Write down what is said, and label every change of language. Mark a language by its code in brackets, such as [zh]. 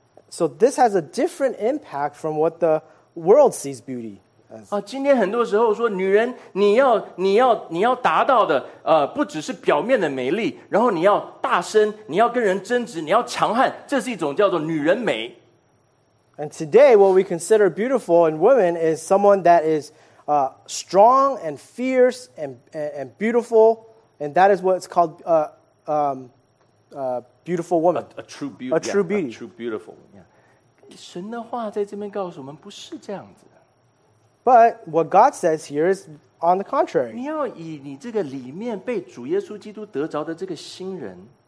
[en] So this has a different impact from what the world sees beauty. [zh] 今天很多时候说女人你要达到的不只是表面的美丽，然后你要大声，你要跟人争执，你要强悍，这是一种叫做女人美。 [en] And today what we consider beautiful in women is someone that is strong and fierce and beautiful, and that is what's called beautiful woman. A true beauty. A true beautiful woman. Yeah. [zh] 神的话在这边告诉我们不是这样子。 [en] But what God says here is on the contrary. [zh] 你要以你这个里面被主耶稣基督得着的这个新人。